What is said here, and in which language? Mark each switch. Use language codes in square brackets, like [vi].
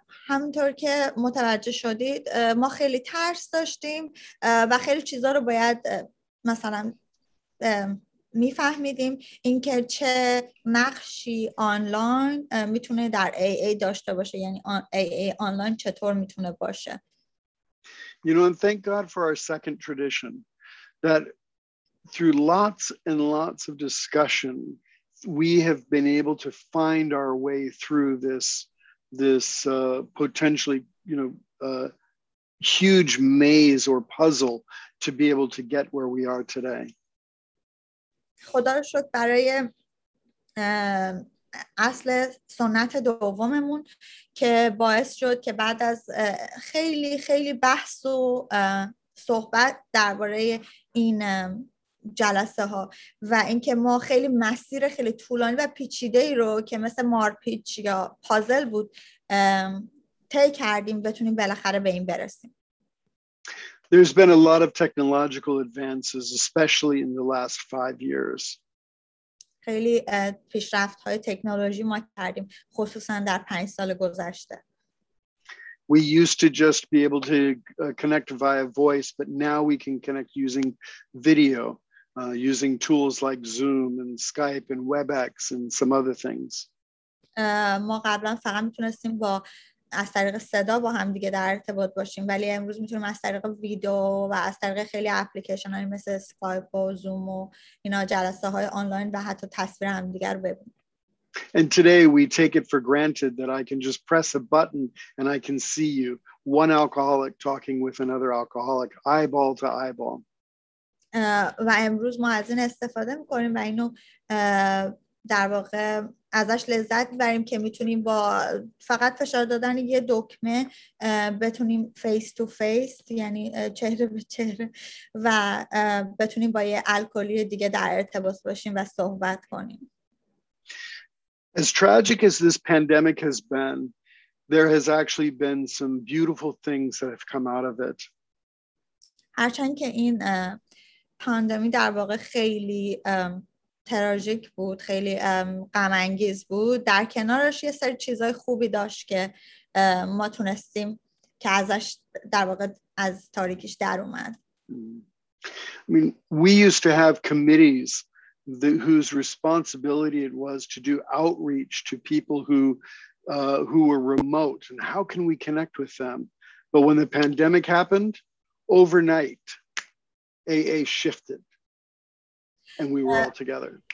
[fa] همونطور که متوجه شدید ما خیلی ترس داشتیم و خیلی چیزا رو باید مثلا میفهمیدیم اینکه چه نقشی آنلاین میتونه در AA داشته باشه یعنی AA آنلاین چطور میتونه باشه. [en] You know, and thank God for our second tradition that through lots and lots of discussion we have been able to find our way through this potentially, you know, huge maze or puzzle to be able to get where we are today. [fa] خدا رو شکر برای اصل سنت دوممون که باعث شد که بعد از خیلی خیلی بحث و صحبت درباره این جلسه ها و اینکه ما خیلی مسیر خیلی طولانی و پیچیده ای رو که مثل مارپیچ یا پازل بود طی کردیم بتونیم بالاخره به این برسیم. [en] There's been a lot of technological advances especially in the last 5 years. [fa] خیلی پیشرفت های تکنولوژی ما کردیم خصوصا در 5 سال گذشته. [en] We used to just be able to connect via voice, but now we can connect using video, using tools like Zoom and Skype and WebEx and some other things. [fa] ما قبلا فقط میتونستیم با از طریق صدا با هم دیگه در ارتباط باشیم، ولی امروز میتونیم از طریق ویدیو و از طریق خیلی اپلیکیشن های مثل اسکایپ و زوم و اینا جلسه های آنلاین و حتی تصویر هم دیگر ببینیم. [en] And today we take it for granted that I can just press a button and I can see you, one alcoholic talking with another alcoholic, eyeball to eyeball. [fa] و امروز ما از این استفاده میکنیم و اینو در واقع ازش لذت بریم که میتونیم با فقط فشار دادن یه دکمه بتونیم فیس تو فیس، یعنی چهره به چهره، و بتونیم با یه الکلی دیگه در ارتباط باشیم و صحبت کنیم. [en] As tragic as this pandemic has been, there has actually been some beautiful things that have come out of it. [fa] هرچند که این پاندمی در واقع خیلی تراژیک بود، خیلی غم انگیز بود، در کنارش یه سری چیزای خوبی داشت که ما تونستیم که ازش در واقع از تاریکیش در اومد. [en] I mean, we used to have committees whose responsibility it was to do outreach to people who were remote, and how can we connect with them? But when the pandemic happened, overnight, AA shifted, and we were all together.